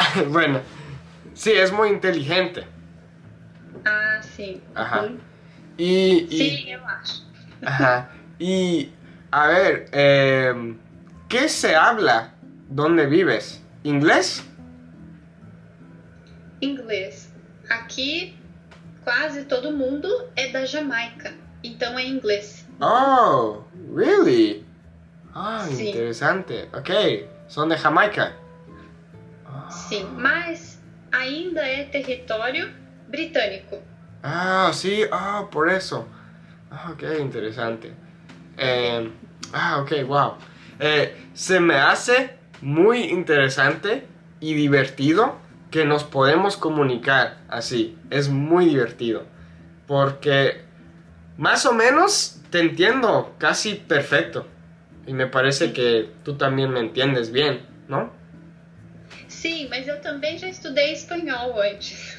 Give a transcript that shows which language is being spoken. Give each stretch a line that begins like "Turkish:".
Spanish: Bueno, sí, es muy inteligente.
Portuguese: Ah, sim. Ajá. Sim, eu acho.
Spanish: Y a ver, ¿qué se habla donde vives? ¿Inglés?
Portuguese: Inglês. Aquí quase todo mundo é da Jamaica, então é inglês.
English: Oh, really? Ah,
Portuguese: Sim.
Spanish: interesante. Okay, son de Jamaica.
Portuguese: Sim, mas ainda é território britânico.
Spanish: Ah, sí, ah, oh, por eso. Okay, interesante.
Portuguese: Também. Ah, okay, wow.
Spanish: Se me hace muy interesante y divertido que nos podemos comunicar así. Es muy divertido porque más o menos te entiendo casi perfecto. Y me parece que tú también me entiendes bien, ¿no?
Portuguese: Sim, mas eu também já estudei espanhol antes.